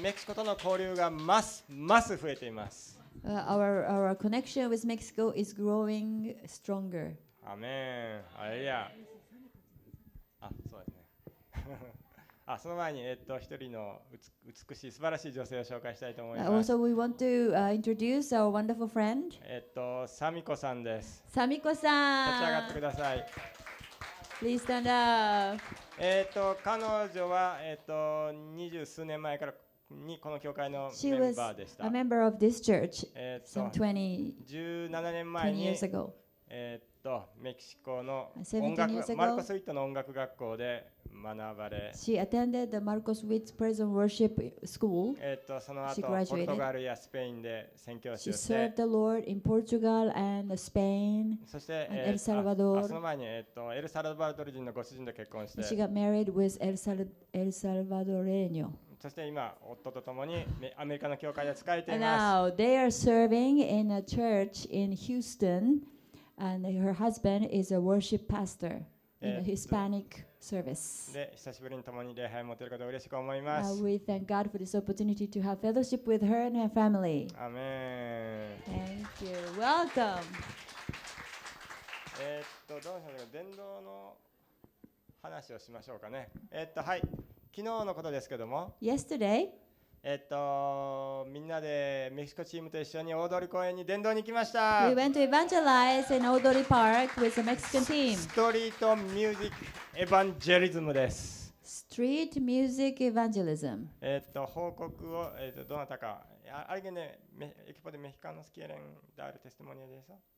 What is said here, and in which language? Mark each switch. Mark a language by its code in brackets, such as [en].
[ja] メキシコとの交流がますます増えています。 [en] our connection with Mexico is growing stronger. [ja] アーメン。アレルヤ。あ、そうですね。あ、その前に、一人の美しい素晴らしい女性を紹介したいと思います。 [en] Also, we want to introduce our wonderful friend. [ja] サミコさんです。サミコさん、立ち上がってください。 [en] Please stand up. [ja] 彼女は、20数年前からにこの教会のメンバーでした。 [en] She was a member of this church some [ja] 17年前に、 [en] 20 years ago. [ja] メキシコの音楽、マルコスウィットの音楽学校で学ばれ、 [en] She attended the Marcos Witt Prison Worship School. [ja] その後、ポルトガルやスペインで宣教師をして、 [en] She served the Lord in Portugal and Spain. [ja] そして、エルサルバドル。その前に、エルサルバドル人のご主人と結婚して、 [en] She got married with エルサルバドレーニョ。 [ja] そして今、夫とともにアメリカの教会で仕えています。 [en] Now they are serving in a church in Houston, and her husband is a worship pastor. Hispanic service. [ja] で、久しぶりに共に礼拝を持てることを嬉しく思います。 [en] We thank God for this opportunity to have fellowship with her and her family. [ja] アーメン。 [en] Thank you. Welcome. [ja] どうしようか、伝道の話をしましょうかね。はい。昨日のことですけども。 [en] Yesterday. [ja] みんなでメキシコチームと一緒に大通公園に伝道に行きました。 [en] We went to evangelize in Odori Park with the Mexican team. [ja] ストリートミュージックエヴァンジェリズムです。 [en] Street music evangelism. [ja] 報告を、どなたか、あれね、エキポでメヒカノスキエレンであるテステモニアでさ。